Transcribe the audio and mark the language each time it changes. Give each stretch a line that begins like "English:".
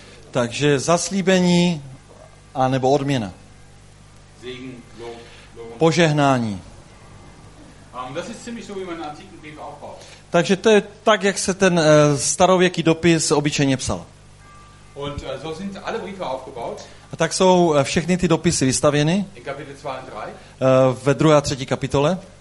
Czech: Takže zaslíbení a nebo odměna.
German: Segen, Lohn.
Czech: Požehnání.
German: Das ist ziemlich so, wie man einen antiken Brief aufbaut.
Czech: Takže to je tak, jak se ten starověký dopis obyčejně psal.
German: Und so sind alle Briefe aufgebaut.
Czech: A tak jsou všechny ty dopisy vystavěny.
German: In Kapitel 2 und 3.
Czech: Ve druhé a třetí kapitole.